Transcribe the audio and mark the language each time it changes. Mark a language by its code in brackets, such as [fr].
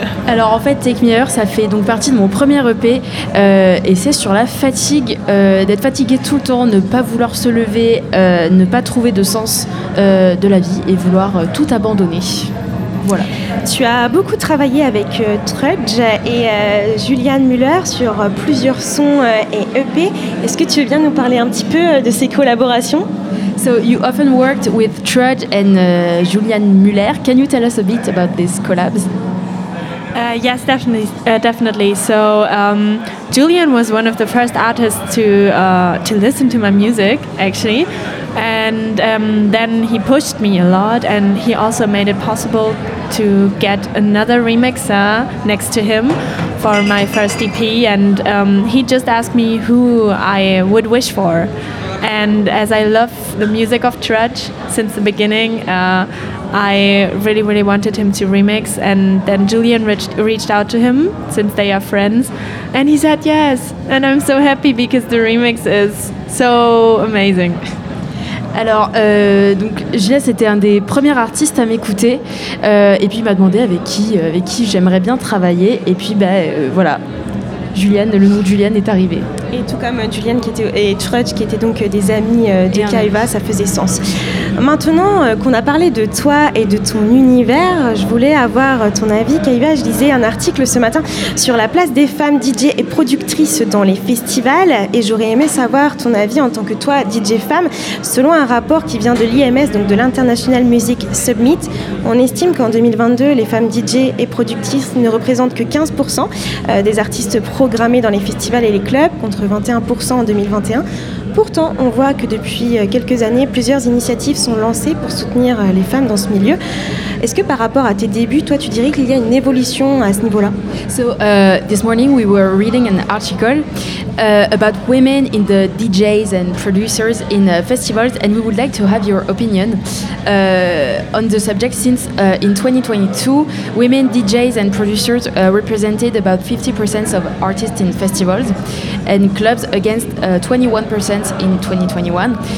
[fr] Alors en fait, Take Me Higher, ça fait donc partie de mon premier EP et c'est sur la fatigue, d'être fatigué tout le temps, ne pas vouloir se lever, ne pas trouver de sens de la vie et vouloir tout abandonner. Voilà. Tu as beaucoup travaillé avec Trudge et Julianne Müller sur plusieurs sons et EP. Est-ce que tu veux bien nous parler un petit peu de ces collaborations? [en] So you often worked with Trudge and Julianne Müller. Can you tell us a bit about these collabs? Yes, definitely. So Julian was one of the first artists to listen to my music, actually. And then he pushed me a lot, and he also made it possible to get another remixer next to him for my first EP. And he just asked me who I would wish for. And as I love the music of Trudge since the beginning, I really, really wanted him to remix. And then Julian reached out to him, since they are friends, and he said yes. And I'm so happy because the remix is so amazing. [fr] Alors, donc, Gilles était un des premiers artistes à m'écouter, et puis il m'a demandé avec qui j'aimerais bien travailler, et puis voilà, Julien, le nom de Julien est arrivé. Et tout comme Julien qui était, et Trudge qui étaient donc des amis de Kaiva, ça faisait sens. Maintenant qu'on a parlé de toi et de ton univers, je voulais avoir ton avis. Kaiva, je lisais un article ce matin sur la place des femmes DJ et productrices dans les festivals, et j'aurais aimé savoir ton avis en tant que toi, DJ femme. Selon un rapport qui vient de l'IMS, donc de l'International Music Summit, on estime qu'en 2022, les femmes DJ et productrices ne représentent que 15% des artistes programmés dans les festivals et les clubs, contre 21% en 2021. Pourtant, on voit que depuis quelques années, plusieurs initiatives sont lancées pour soutenir les femmes dans ce milieu. Est-ce que par rapport à tes débuts, toi, tu dirais qu'il y a une évolution à ce niveau-là? [en] So, this morning we were reading an article about women in the DJs and producers in festivals, and we would like to have your opinion on the subject, since in 2022, women DJs and producers represented about 50% of artists in festivals and clubs, against 21% in 2021.